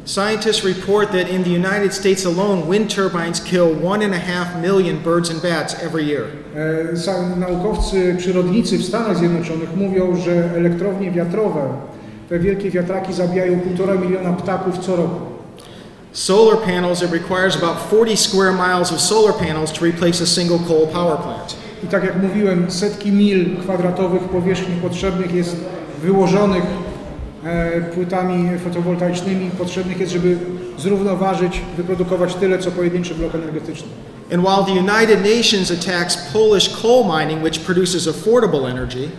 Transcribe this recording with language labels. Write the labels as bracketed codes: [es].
[en] Scientists report that in the United States alone, wind turbines kill 1.5 million birds and bats every year. [pl] Naukowcy, przyrodnicy w Stanach Zjednoczonych mówią, że elektrownie wiatrowe, te wielkie wiatraki zabijają 1.5 miliona ptaków co roku. [en] Solar panels, it requires about 40 square miles of solar panels to replace a single coal power plant. [pl] I tak jak mówiłem, setki mil kwadratowych powierzchni potrzebnych jest wyłożonych płytami fotowoltaicznymi, potrzebnych jest, żeby zrównoważyć, wyprodukować tyle, co pojedynczy blok energetyczny. [en] And while the United Nations attacks Polish coal mining, which produces affordable energy,